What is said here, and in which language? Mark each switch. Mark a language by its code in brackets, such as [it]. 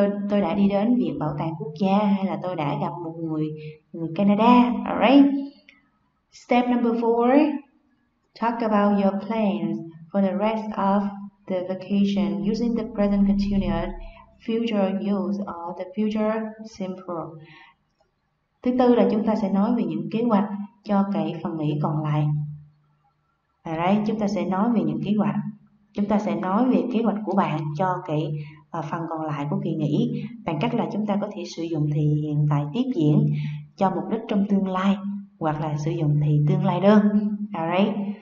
[vi] Tôi đã đi đến viện bảo tàng quốc gia, hay là tôi đã gặp một người Canada. [en] Alright. Step number four. Talk about your plans for the rest of the vacation using the present continuous, future use or the future simple. [vi] Thứ tư là chúng ta sẽ nói về những kế hoạch cho cái phần nghỉ còn lại. Đấy, chúng ta sẽ nói về những kế hoạch. Chúng ta sẽ nói về kế hoạch của bạn cho cái phần còn lại của kỳ nghỉ bằng cách là chúng ta có thể sử dụng thì hiện tại tiếp diễn cho mục đích trong tương lai hoặc là sử dụng thì tương lai đơn. Alright.